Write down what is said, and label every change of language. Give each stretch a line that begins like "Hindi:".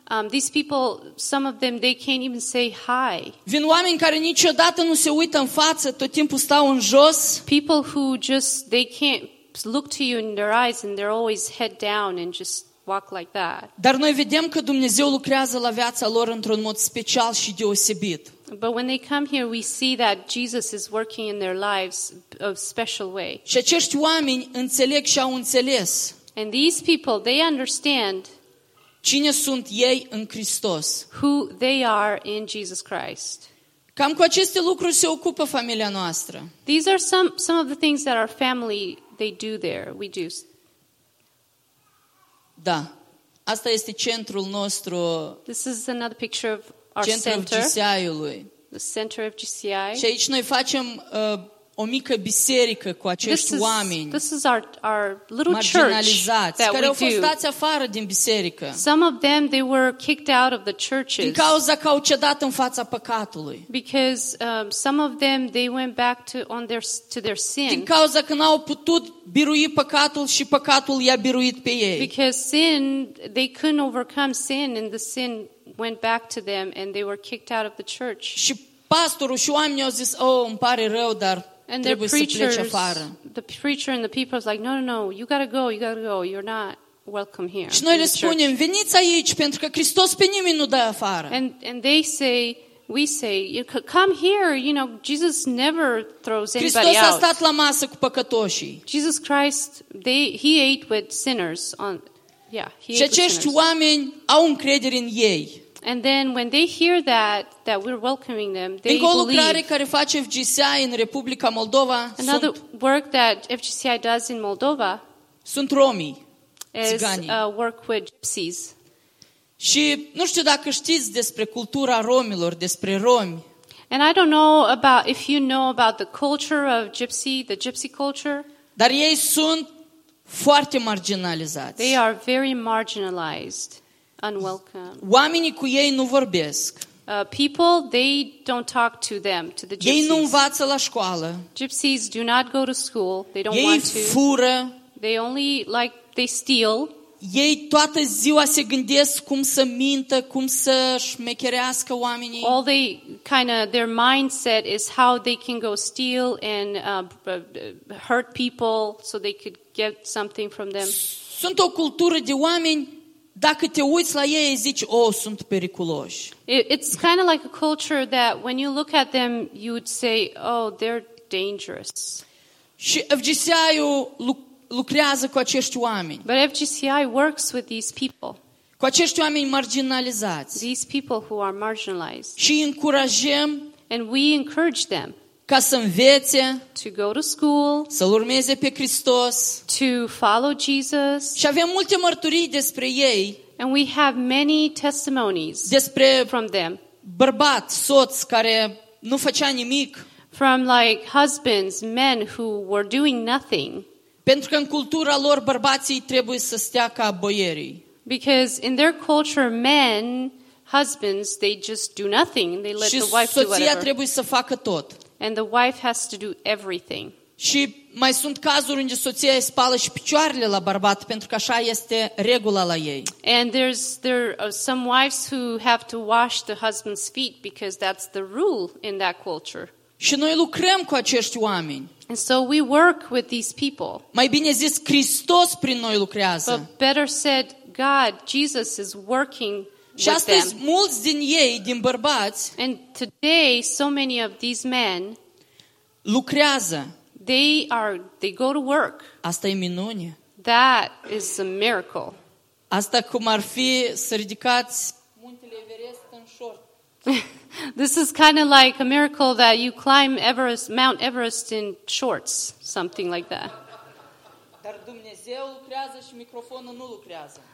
English: These people, some of them, they can't even say hi.
Romanian: Vin oameni care niciodată nu se uită în față, tot timpul stau în jos.
English: People who just, they can't look to you in their eyes and they're always head down and just walk like that.
Romanian: Dar noi vedem că Dumnezeu lucrează la viața lor într-un mod special și deosebit.
English: But when they come here, we see that Jesus is working in their lives a special way.
Romanian: Și acești oameni înțeleg și au înțeles.
English: And these people, they understand
Romanian: cine sunt ei în Hristos.
English: Who they are in Jesus Christ.
Romanian: Cam cu aceste lucruri se ocupă familia noastră.
English: These are some of the things that our family, they do there. We do.
Romanian: Da. Asta este centrul nostru.
English: This is another picture of our center.
Romanian: Centrul FGCI-ului.
English: The center of FGCI.
Romanian: Și aici noi facem o mică biserică cu acești oameni.
English: This is our little church.
Romanian: Marginalizați, care au fost dați afară din biserică.
English: Some of them they were kicked out of the churches.
Romanian: Din cauza că au cedat în fața păcatului.
English: Because some of them they went back to their sin.
Romanian: Din cauza că n-au putut birui păcatul și păcatul i-a biruit pe ei.
English: Because sin they couldn't overcome sin and the sin went back to them and they were kicked out of the church.
Romanian: Și pastorul și oamenii au zis: "Oh, îmi pare rău, dar
English: And the preacher and the people is like, no, you gotta go, you're not welcome here.
Romanian: Și noi le spunem, veniți aici, pentru că Hristos pe nimeni nu dă afară.
English: And we say, you come here, you know, Jesus never throws anybody out.
Romanian: Hristos a stat la masă cu păcătoșii.
English: Jesus Christ, he ate with sinners.
Romanian: Și acești oameni au încredere în ei.
English: And then when they hear that we're welcoming them, they believe.
Romanian: Încă o lucrare care face FGCI în Republica Moldova.
English: Another work that FGCI does in Moldova.
Romanian: Sunt romi. Țiganii.
English: Is work with gypsies.
Romanian: Și nu știu dacă știți despre cultura romilor, despre romi.
English: And I don't know about if you know about the culture of the gypsy culture.
Romanian: Dar ei sunt foarte marginalizați.
English: They are very marginalized. Unwelcome.
Romanian: Oamenii cu ei nu vorbesc.
English: People, they don't talk to them, to the gypsies.
Romanian: Ei nu învață la școală.
English: Gypsies do not go to school. They don't
Romanian: ei
English: want to.
Romanian: Ei fură.
English: They only, like, they steal.
Romanian: Ei toată ziua se gândesc cum să mintă, cum să șmecherească oamenii.
English: All they kind of their mindset is how they can go steal and hurt people so they could get something from them.
Romanian: Sunt o cultură de oameni. Dacă te uiți la ei, zici, oh, sunt periculoși.
English: It's kind of like a culture that when you look at them, you would say, oh, they're dangerous.
Romanian: Și FGCI-ul lucrează cu acești oameni.
English: But FGCI works with these people.
Romanian: Cu acești oameni marginalizați.
English: These people who are marginalized.
Romanian: Și încurajăm.
English: And we encourage them.
Romanian: Ca să învețe,
English: to go to school,
Romanian: să-L urmeze pe Hristos,
English: to follow Jesus,
Romanian: și avem multe mărturii despre ei,
English: and we have many testimonies
Romanian: despre
English: from them,
Romanian: bărbat, soț, care nu făcea nimic,
English: from like husbands, men who were doing nothing,
Romanian: pentru că în cultura lor bărbații trebuie să stea ca boierii.
English: Because in their culture, men, husbands, they just do nothing, they let the wife do whatever.
Romanian: Și soția trebuie să facă tot.
English: And the wife has to do everything.
Romanian: Și mai sunt cazuri unde soția îi spală și picioarele la bărbat pentru că așa este regula la ei.
English: And there are some wives who have to wash the husband's feet because that's the rule in that culture.
Romanian: Și noi lucrăm cu acești oameni.
English: And so we work with these people.
Romanian: Mai bine zis, Hristos prin noi lucrează.
English: But better said, God, Jesus is working.
Romanian: Și astăzi mulți din ei, din bărbați,
English: and today so many of these men
Romanian: lucrează.
English: They go to work.
Romanian: Asta e minune.
English: That is a miracle.
Romanian: Asta cum ar fi să ridicați muntele Everest în short.
English: This is kind of like a miracle that you climb Everest, Mount Everest in shorts, something like that.
Romanian: Dar Dumnezeu lucrează și microfonul nu lucrează.